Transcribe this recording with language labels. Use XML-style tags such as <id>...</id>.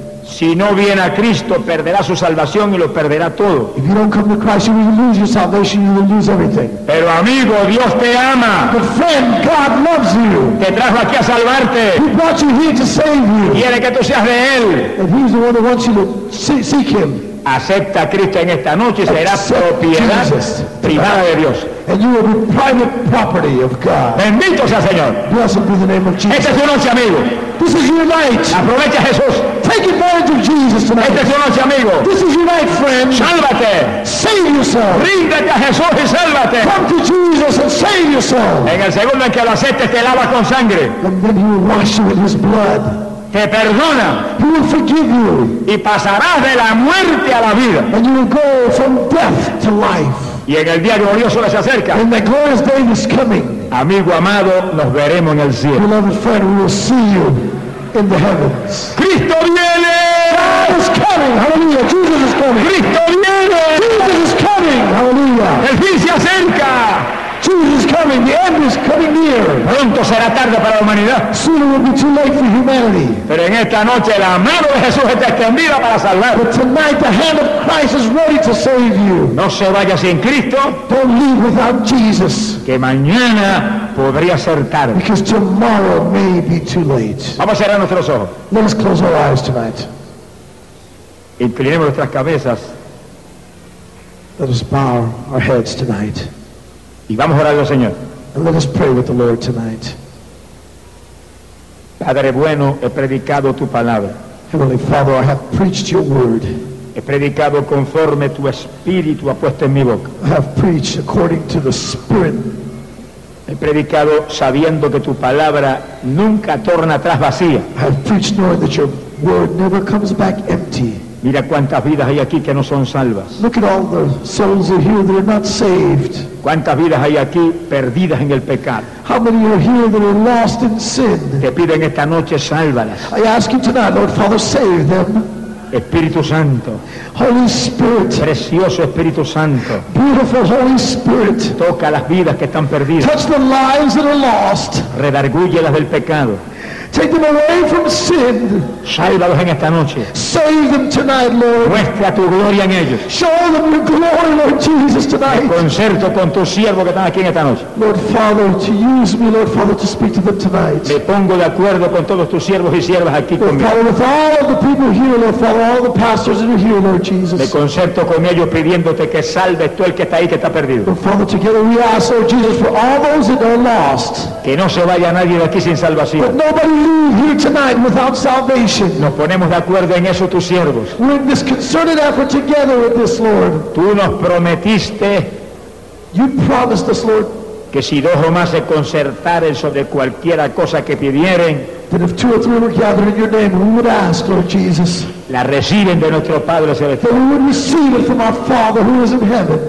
<es>Si no viene a Cristo, perderá su salvación y lo perderá todo.</es> <en>If you don't come to Christ, you will lose your salvation, you will lose everything.</en> <es>Pero amigo, Dios te ama.</es> <en>But friend, God loves you.</en> <es>Te trajo aquí a salvarte.</es> <en>He brought you here to save you.</en> <es>Quiere que tú seas de Él.</es> <en>And he's the one who wants you to seek Him.</en> <es>Acepta a Cristo en esta noche y serás propiedad</es> <en>Jesus,</en> <es>privada de Dios.</es> <en>And you will be private property of God.</en> <es>Bendito sea Señor.</es> <en>Blessed be the name of Jesus.</en> <es>Esta es tu noche, amigo.</es> <en>This is your night.</en> <es>Aprovecha a Jesús.</es> <en>Take advantage of Jesus tonight.</en> <es>Esta es tu noche, amigo.</es> <en>This is your night, friend.</en> <es>Sálvate.</es> <en>Save yourself.</en> <es>Ríndete a Jesús y sálvate.</es> <en>Come to Jesus and save yourself.</en> <es>En el segundo en que lo aceptes, te lava con sangre.</es> <en>And then he will wash you with his blood.</en> <es>Te perdona.</es> <en>He will forgive you.</en> <es>Y pasarás de la muerte a la vida.</es> <en>And you will go from death to life.</en> <es>Y en el día glorioso que se acerca.</es> <en>And the glorious day is coming.</en> <es>Amigo amado, nos veremos en el cielo.</es> <en>Beloved friend, we will see you in the heavens.</en> <es>Cristo viene.</es> <en>God is coming. Hallelujah. Jesus is coming.</en> <es>Cristo viene.</es> <en>Jesus is coming. Hallelujah.</en> <es>El fin se acerca.</es> <en>Jesus is coming. The end is coming near.</en> <es>Pronto será tarde para la humanidad.</es> <en>Soon it will be too late for humanity.</en> <es>Pero en esta noche la mano de Jesús está extendida para salvar.</es> <en>But tonight the hand of Christ is ready to save you.</en> <es>No se vaya sin Cristo.</es> <en>Don't leave without Jesus.</en> <es>Que mañana podría ser tarde.</es> <en>Because tomorrow may be too late.</en> <es>Vamos a cerrar nuestros ojos.</es> <en>Let us close our eyes tonight.</en> <es>Inclinemos nuestras cabezas.</es> <en>Let us bow our heads tonight.</en> <es>Y vamos a orar al Señor.</es> <en>And let us pray with the Lord tonight.</en> <es>Padre bueno, he predicado tu palabra.</es> <en>Heavenly Father, I have preached your word.</en> <es>He predicado conforme tu espíritu ha puesto en mi boca.</es> <en>I have preached according to the Spirit.</en> <es>He predicado sabiendo que tu palabra nunca torna atrás vacía.</es> <en>I have preached knowing that your word never comes back empty.</en> <es>Mira cuántas vidas hay aquí que no son salvas.</es> <en>Look at all the souls are here that are not saved.</en> <es>¿Cuántas vidas hay aquí perdidas en el pecado?</es> <en>How many are here that are lost in sin?</en> <es>Te pido en esta noche, sálvalas.</es> <en>I ask you tonight, Lord Father, save them.</en> <es>Espíritu Santo.</es> <en>Holy Spirit.</en> <es>Precioso Espíritu Santo.</es> <en>Beautiful Holy Spirit.</en> <es>Toca las vidas que están perdidas.</es> <en>Touch the lives that are lost.</en> <es>Redargúyelas del pecado.</es> <en>Take them away from sin.</en> <es>Sálvalos en esta noche.</es> <en>Save them tonight, Lord.</en> <es>Muestra tu gloria en ellos.</es> <en>Show them your glory, Lord Jesus, tonight.</en> <es>En concierto con tu siervo que están aquí en esta noche.</es> <en>Lord Father, to use me, Lord Father, to speak to them tonight.</en> <es>Me pongo de acuerdo con todos tus siervos y siervas aquí</es> <en>Lord,</en> <es>conmigo.</es> <en>Father, with all the people here, Lord Father, all the pastors that are here, Lord Jesus.</en> <es>Me concierto con ellos pidiéndote que salves tú el que está ahí que está perdido.</es> <en>Lord Father, together we ask, Lord Jesus, for all those that are lost.</en> <es>Que no se vaya nadie de aquí sin salvación.</es> <en>But nobody here tonight without salvation.</en> <es>Nos ponemos de acuerdo en eso tus siervos.</es> <en>We're in this concerted effort together with this Lord.</en> <es>Tú nos prometiste.</es> <en>You promised us, Lord,</en> <es>que si dos o más se concertaren sobre cualquiera cosa que pidieren,</es> <en>that if two or three were gathered in your name, we would ask, Lord Jesus.</en> <es>La reciben de nuestro Padre celestial.</es> <en>That we would receive it from our Father who is in heaven.</en>